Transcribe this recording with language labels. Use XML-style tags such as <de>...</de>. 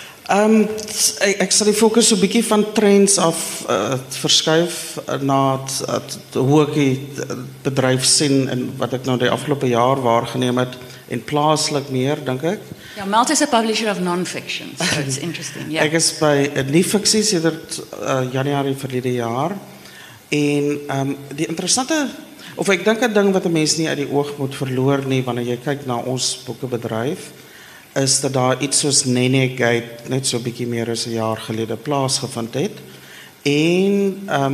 <af>Ek sal die fokus so 'n bietjie van trends af verskuif na hoe ek die bedryf sien en wat ek nou die afgelope jaar waargeneem het en plaaslik meer, dink ek.</af> <en>Ja, Malt is a publisher of non-fiction, so it's interesting. Yeah.</en> <af>Ek is by nie-fiksie sedert januari verlede jaar en die interessante, of ek dink 'n ding wat 'n mens nie uit die oog moet verloor nie wanneer jy kyk na ons boekebedryf, is dat daar iets soos Nene Gate net so bietjie meer as 'n jaar gelede plaasgevind het en</af>